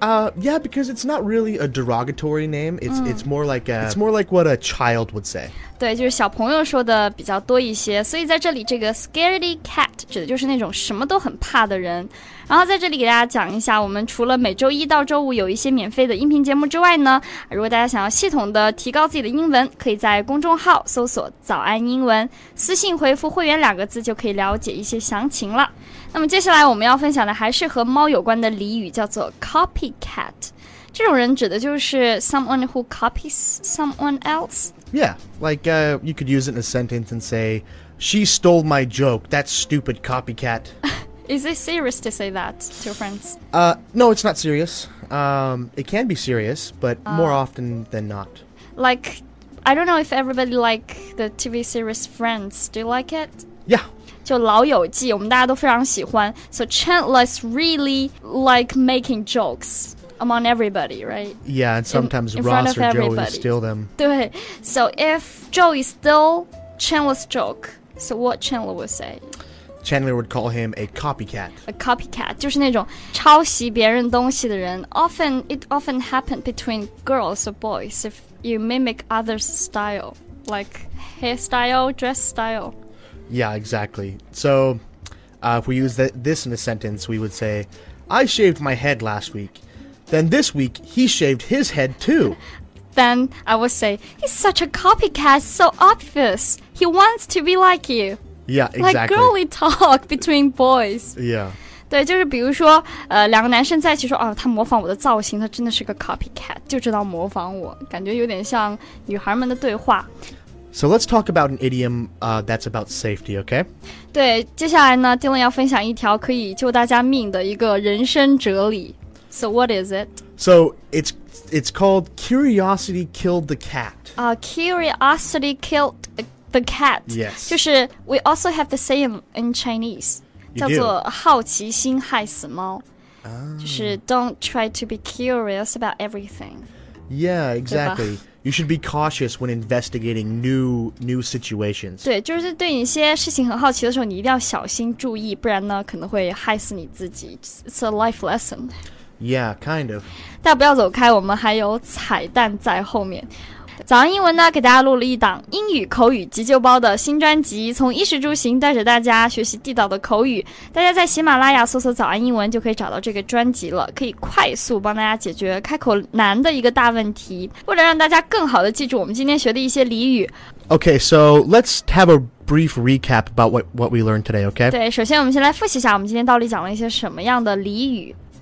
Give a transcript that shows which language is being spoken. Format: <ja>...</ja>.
<en>Yeah, because it's not really a derogatory name. It's more like what a child would say.</en> <zh>对，就是小朋友说的比较多一些。所以在这里，这个 scaredy cat 指的就是那种什么都很怕的人。然后在这里给大家讲一下，我们除了每周一到周五有一些免费的音频节目之外呢，如果大家想要系统的提高自己的英文，可以在公众号搜索早安英文，私信回复会员两个字就可以了解一些详情了。那么接下来我们要分享的还是和猫有关的俚语，叫做 copycat。这种人指的就是</zh> <en>someone who copies someone else. Yeah, like you could use it in a sentence and say, she stole my joke, that stupid copycat. Is it serious to say that to friends? No, it's not serious. It can be serious, but more often than not. Like, I don't know if everybody like the TV series Friends. Do you like it? Yeah.</en> <zh>就老友记，我们大家都非常喜欢。</zh> <en>So Chandler's really like making jokes among everybody, right? Yeah, and sometimes Ross or Joey steal them. 对 So if Joey steal Chandler's joke, so what Chandler would say? Chandler would call him a copycat.</en> <zh>A copycat, 就是那种抄袭别人东西的人。</zh> <en>Often, it often happened between girls or boys if you mimic others' style, like hairstyle, dress style. Yeah, exactly. So, if we use this in a sentence, we would say, I shaved my head last week. Then this week, he shaved his head too. Then I would say, he's such a copycat, so obvious. He wants to be like you. Yeah, exactly. Like girly talk between boys. Yeah.</en> <zh>对，就是比如说，两个男生在一起说，他模仿我的造型，他真的是个 copycat, 就知道模仿我，感觉有点像女孩们的对话。</zh> <en>So let's talk about an idiom that's about safety, okay?</en> <zh>对，接下来呢，Dylan要分享一条可以救大家命的一个人生哲理。</zh> <en>So what is it? So it's called curiosity killed the cat. Curiosity killed a cat. The cat. Yes. 就是 we also have the saying in Chinese. You</en> <zh>叫做</zh> <en>do.</en> <zh>好奇心害死猫、 oh.</zh> <en>就是 don't try to be curious about everything. Yeah, exactly. You should be cautious when investigating new situations.</en> <zh>对，就是对一些事情很好奇的时候，你一定要小心注意，不然呢，可能会害死你自己。</zh> <en>It's a life lesson. Yeah, kind of.</en> <zh>大家不要走开，我们还有彩蛋在后面。早安英文呢，给大家录了一档英语口语急救包的新专辑，从衣食住行带着大家学习地道的口语。大家在喜马拉雅搜索早安英文就可以找到这个专辑了，可以快速帮大家解决开口难的一个大问题。为了让大家更好的记住我们今天学的一些俚语。</zh> <en>Okay, so let's have a brief recap about what we learned today, okay?</en> <zh>对，首先我们先来复习一下我们今天到底讲了一些什么样的俚语。</zh>